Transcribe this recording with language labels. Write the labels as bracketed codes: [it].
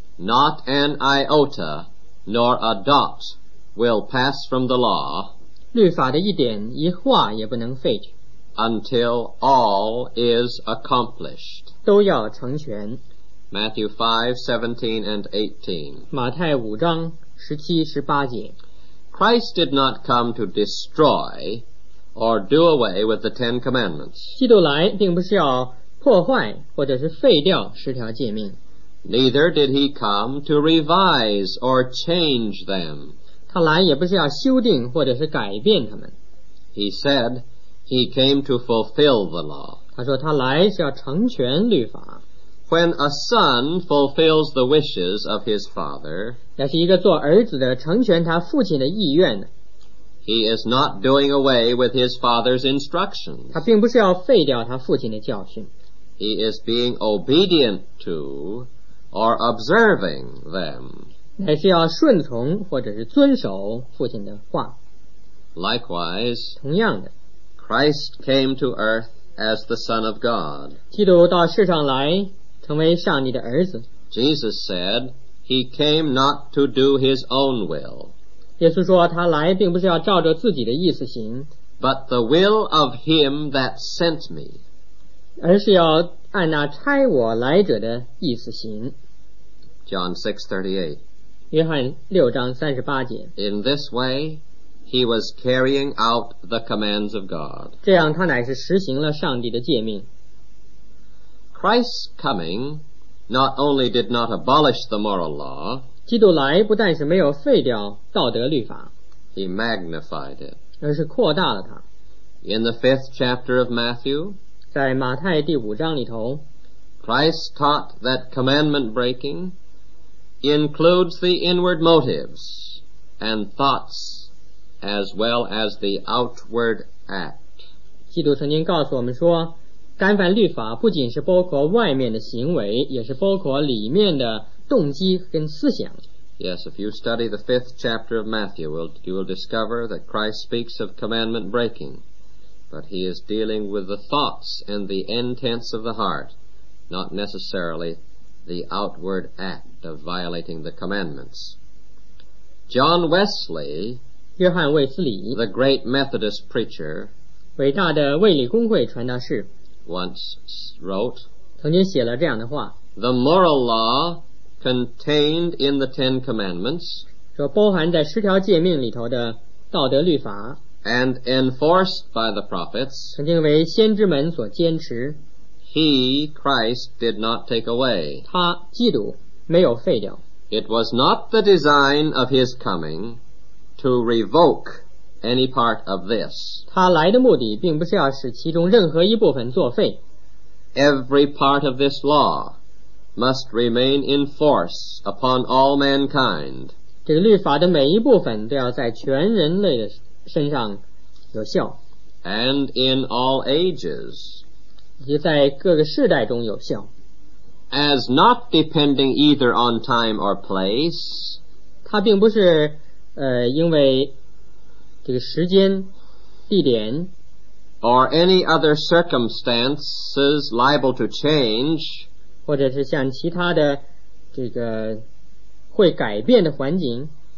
[en] Not an iota nor a dot will pass from the law. [zh] 律法的一点一画也不能废去。 [en] Until all is accomplished. [zh] 都要成全。 [en] Matthew 5:17-18. [zh] 马太五章十七十八节。 [en] Christ did not come to destroy, or do away with the Ten Commandments. [zh] 基督来并不是要破坏或者是废掉十条诫命。 [en] Neither did he come to revise or change them. [zh] 他来也不是要修订或者是改变他们。 [en] He said he came to fulfill the law. [zh] 他说他来是要成全律法。 [en] When a son fulfills the wishes of his father, [zh] 要是一个做儿子的成全他父亲的意愿， [en] he is not doing away with his father's instructions. [zh] 他并不是要废掉他父亲的教训。 [en] He is being obedient to or observing them. [zh] 乃是要顺从或者是遵守父亲的话。 [en] Likewise, [zh] 同样的， [en] Christ came to earth as the Son of God. [zh] 基督到世上来成为上帝的儿子。 [en] Jesus said, he came not to do his own will. [zh] 耶稣说他来并不是要照着自己的意思行。 [en] But the will of him that sent me. [zh] 而是要按那差我来者的意思行。 [en] John 6:38. [zh] 约翰六章三十八节。 [en] In this way, he was carrying out the commands of God. [zh] 这样他乃是实行了上帝的诫命。 [en] Christ's coming not only did not abolish the moral law, [zh] 基督来不但是没有废掉道德律法， [en] he magnified it. [zh] 而是扩大了它。 [en] In the fifth chapter of Matthew, [zh] 在马太第五章里头， [en] Christ taught that commandment breaking includes the inward motives and thoughts as well as the outward act. [zh] 基督曾经告诉我们说，干犯律法不仅是包括外面的行为，也是包括里面的动机跟思想。 [en] Yes, if you study the fifth chapter of Matthew, you will discover that Christ speaks of commandment breaking, but he is dealing with the thoughts and the intents of the heart, not necessarily the outward act of violating the commandments. John Wesley, [zh] 约翰·卫斯理, [en] the great Methodist preacher, [zh] 伟大的卫理公会传道士， [en] once wrote, [zh] 曾经写了这样的话， [en] the moral law contained in the Ten Commandments, [zh] 说包含在十条诫命里头的道德律法， [en] and enforced by the prophets, [zh] 曾经为先知们所坚持， [en] he, Christ, did not take away. [zh] 他基督没有废掉。 [en] It was not the design of his coming to revoke any part of this. [zh] 他来的目的并不是要使其中任何一部分作废。 [en] Every part of this law must remain in force upon all mankind. [zh] 这个律法的每一部分都要在全人类的身上有效。 [en] And in all ages. [zh] 以及在各个世代中有效。 [en] As not depending either on time or place. [zh] 它并不是因为这个时间地点 [en] or any other circumstances liable to change, [zh] 或者是像其他的这个会改变的环境，